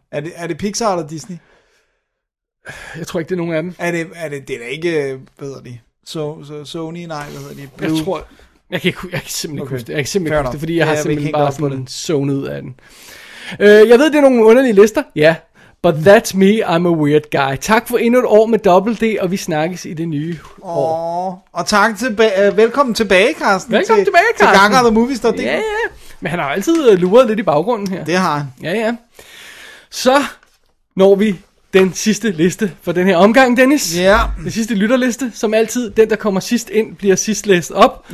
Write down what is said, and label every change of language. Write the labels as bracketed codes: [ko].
[da] Er det Pixar eller Disney? Jeg tror ikke, det er nogen af dem. Er det ikke, hvad hedder de? Sony, nej, hvad hedder de? Blue? Jeg kan simpelthen ikke huske det, fordi jeg har simpelthen bare fået den zonet ud af den. Jeg ved, det er nogle underlige lister, ja. [en] But that's me, I'm a weird guy. [da] Tak for endnu et år med Double D, og vi snakkes i det nye år. Og tak til, velkommen tilbage, Carsten. Velkommen tilbage, Carsten. Til Ganger The Movies, der er det. Ja, ja. Men han har altid luret lidt i baggrunden her. Det har han. Ja, ja. Så når vi... Den sidste liste for den her omgang, Dennis. Ja. Yeah. Den sidste lytterliste, som altid, den der kommer sidst ind, bliver sidst læst op.